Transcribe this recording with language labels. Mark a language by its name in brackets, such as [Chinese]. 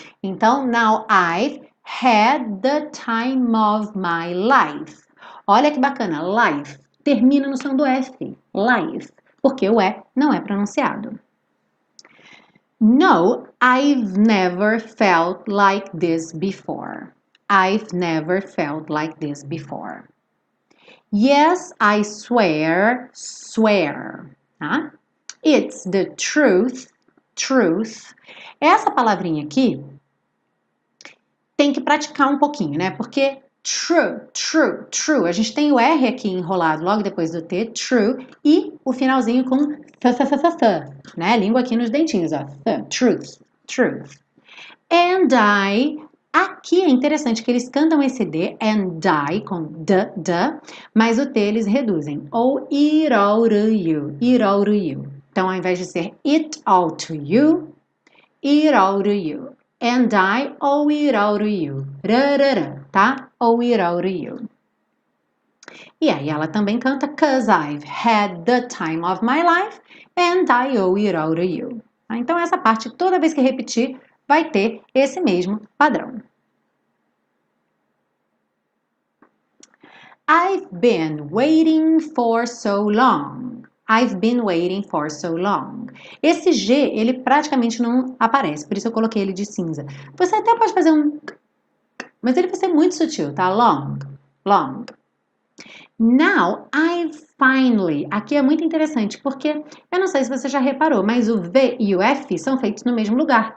[Portuguese] Então, [English] now I've had the time of my life. [Portuguese] Olha que bacana, life termina no som do F, life, porque o E não é pronunciado. [English] No, I've never felt like this before. I've never felt like this before. Yes, I swear, swear. Huh? It's the truth, truth. [Portuguese] Essa palavrinha aqui tem que praticar um pouquinho, né? Porque true, true, true. A gente tem o R aqui enrolado logo depois do T, true, e o finalzinho com th, né? Língua aqui nos dentinhos, ó. [English] Th, truth, truth. And I. [Portuguese] Aqui é interessante que eles cantam esse D, and die, com d, d, mas o T eles reduzem. [English] Ou it all to you, it all to you. [Portuguese] Então, ao invés de ser [English] it all to you, it all to you. And die, ou it all to you. Rarara, tá? Ou it all to you. [Portuguese] E aí ela também canta, [English] 'cause I've had the time of my life, and I owe it all to you. [Portuguese] Tá? Então, essa parte, toda vez que repetir, vai ter esse mesmo padrão. [English] I've been waiting for so long. I've been waiting for so long. [Portuguese] Esse G, ele praticamente não aparece, por isso eu coloquei ele de cinza. Você até pode fazer um, mas ele vai ser muito sutil, tá? [English] Long, long. Now, I finally. [Portuguese] Aqui é muito interessante, porque eu não sei se você já reparou, mas o V e o F são feitos no mesmo lugar.